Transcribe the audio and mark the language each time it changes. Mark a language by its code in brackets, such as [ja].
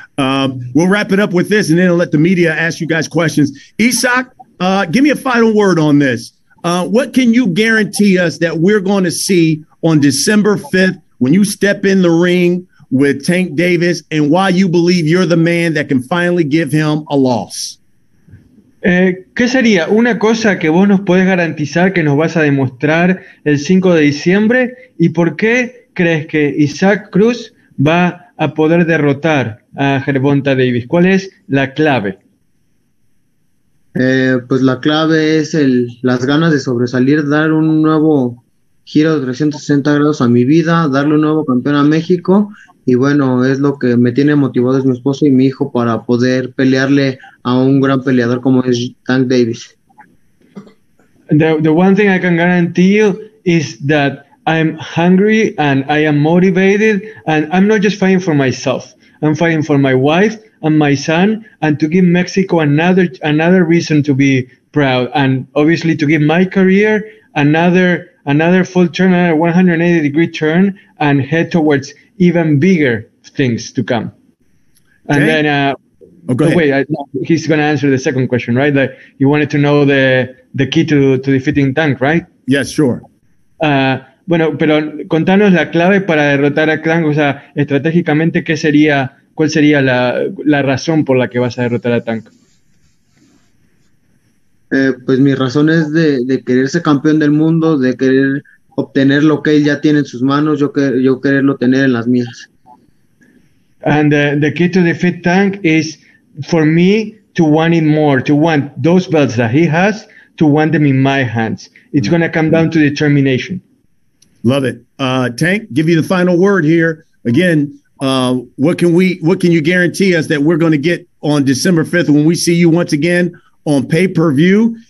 [en] We'll wrap it up with this, and then I'll let the media ask you guys questions. Isaac, give me a final word on this. What can you guarantee us that we're going to see on December 5th when you step in the ring with Tank Davis, and why you believe you're the man that can finally give him a loss? [es] ¿Qué sería una cosa que vos nos podés garantizar que nos vas a demostrar el 5 de diciembre? ¿Y por qué crees que Isaac Cruz va a poder derrotar a Gervonta Davis? ¿Cuál es la clave? Pues la clave es las ganas de sobresalir, dar un nuevo giro de 360 grados a mi vida, darle un nuevo campeón a México. Y bueno, es lo que me tiene motivado, es mi esposo y mi hijo, para poder pelearle a un gran peleador como es Tank Davis. [en] The one thing I can guarantee you is that I'm hungry and I am motivated, and I'm not just fighting for myself. I'm fighting for my wife and my son, and to give Mexico another reason to be proud, and obviously to give my career another full turn, another 180 degree turn, and head towards even bigger things to come. And okay. He's going to answer the second question, right? Like, you wanted to know the key to defeating Tank, right? Yes, sure. [es] Bueno, pero contanos la clave para derrotar a Tank, o sea, estratégicamente, cuál sería la razón por la que vas a derrotar a Tank? Pues mi razón es de querer ser campeón del mundo, de querer obtener lo que él ya tiene en sus manos, yo quererlo tener en las mías. [en] And the key to defeat Tank is for me to want it more, to want those belts that he has, to want them in my hands. It's going to come down to determination. Love it. Tank, give you the final word here. Again, what can you guarantee us that we're going to get on December 5th when we see you once again on pay-per-view?